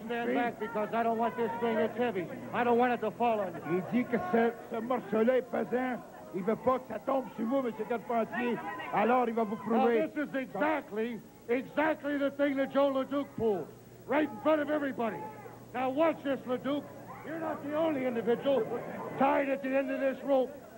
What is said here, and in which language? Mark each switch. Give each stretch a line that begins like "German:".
English: stand back because I don't want this thing, it's heavy. I don't want it to fall on you.
French: Il dit que ce morceau-là est pesant. Il veut pas que ça tombe sur vous, M. Carpentier. Alors, il va vous prouver.
English: Now, this is exactly the thing that Joe Leduc pulled. Right in front of everybody. Now, watch this, Leduc. You're not the only individual tied at the end of this rope.